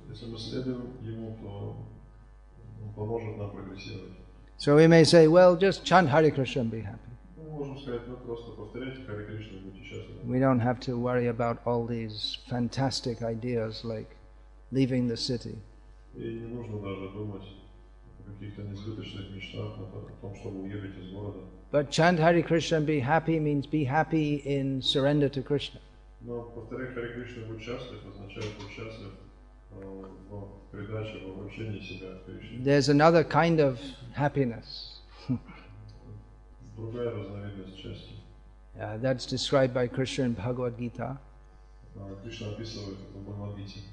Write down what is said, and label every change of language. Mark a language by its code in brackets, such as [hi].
[ru] Если мы следуем ему, то он поможет нам прогрессировать. [en] So we may say, well, just chant Hare Krishna and be happy. [ru] Мы можем сказать, ну просто повторяйте Hare Krishna и будьте счастливы. [en] We don't have to worry about all these fantastic ideas like leaving the city. [ru] И не нужно даже думать о каких-то несбыточных мечтах, о том, чтобы уехать из города. [en] But chant Hare Krishna and be happy means be happy in surrender to Krishna. [ru] Но повторять Hare Krishna и быть счастлив означает быть счастлив в передаче, в обращении себя к Кришне. [en] There's another kind of happiness. [ru] Другая разновидность счастья. [en] Yeah, that's described by Krishna in Bhagavad Gita. [ru] Кришна описывает это в Бхагавад Гите.